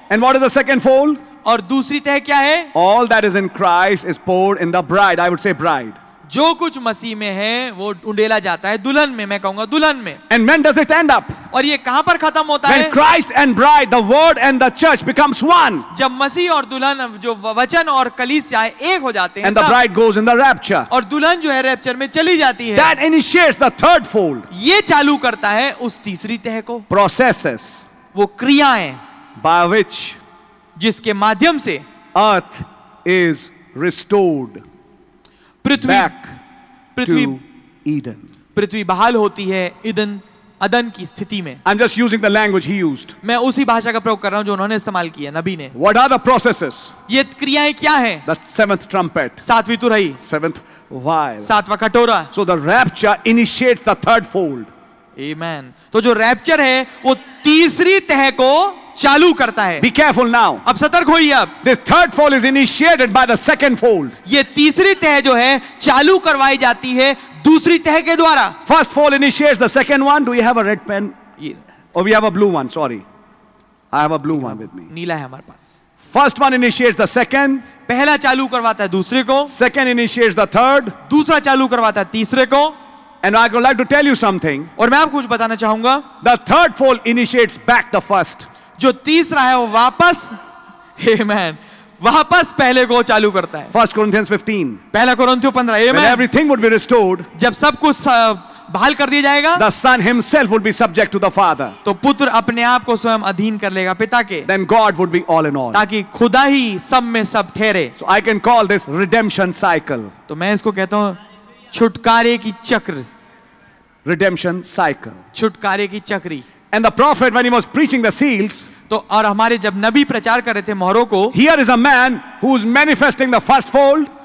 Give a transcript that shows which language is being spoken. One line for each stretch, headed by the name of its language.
English: And what is the second fold?
Hindi: और दूसरी तह क्या है?
English: All that is in Christ is poured in the bride. I would say bride.
Hindi: जो कुछ मसीह में है वो उंडेला जाता है दुल्हन में, मैं कहूंगा दुल्हन में.
English: And when does it end up?
Hindi: और ये कहां पर खत्म होता है?
English: When Christ and bride, the word and the church becomes one.
Hindi: जब मसीह और दुल्हन, जो वचन और कलीसिया एक हो जाते हैं.
English: And the bride goes in the rapture.
Hindi: और दुल्हन जो है रैप्चर में चली जाती है.
English: That initiates the third fold.
Hindi: ये चालू करता है उस तीसरी तह को.
English: Processes.
Hindi: वो क्रियाएं.
English: By which?
Hindi: जिसके माध्यम से
English: earth is restored
Hindi: पृथ्वी बहाल होती है इदन, अदन की स्थिति में.
English: I'm just using the language he used.
Hindi: मैं उसी भाषा का प्रयोग कर रहा हूं जो उन्होंने इस्तेमाल किया नबी ने.
English: What are the processes?
Hindi: ये क्रियाएं क्या है?
English: The seventh trumpet.
Hindi: सातवीं तुरही.
English: Seventh vial.
Hindi: सातवां कटोरा.
English: So the rapture initiates the third fold. Amen.
Hindi: तो जो रैप्चर है वो तीसरी तह को चालू करता है.
English: Be careful now.
Hindi: अब सतर्क होइए अब.
English: This third fold is initiated by the second fold.
Hindi: ये तीसरी तह जो है चालू करवाई जाती है दूसरी तह के द्वारा.
English: First fold initiates the second one. Do you have a red pen? Or we have a blue one? Sorry, I have a blue one with me.
Hindi: नीला है हमारे पास.
English: First one initiates the second.
Hindi: पहला चालू करवाता है दूसरे को.
English: Second initiates the third.
Hindi: दूसरा चालू करवाता है तीसरे को.
English: And I would like to tell you something.
Hindi: और मैं आपको कुछ बताना चाहूंगा.
English: The third fold initiates back the first.
Hindi: जो तीसरा है वो वापस, amen, वापस पहले को चालू करता है.
English: First Corinthians 15.
Hindi: पहला कुरिन्थियों 15. Amen.
English: When everything would be restored.
Hindi: जब सब कुछ बहाल कर दिया जाएगा.
English: The Son Himself would be subject to the Father.
Hindi: तो पुत्र अपने आप को स्वयं अधीन कर लेगा पिता के.
English: Then God would be all in all.
Hindi: ताकि खुदा ही सब में सब ठहरे.
English: So I can call this redemption cycle.
Hindi: तो मैं इसको कहता हूँ छुटकारे की चक्र.
English: Redemption cycle.
Hindi: छुटकारे की चक्री.
English: And the prophet, when he was preaching the seals,
Hindi: तो और हमारे जब नबी प्रचार कर रहे थे मोहरों को,
English: here is a man who is manifesting the first fold.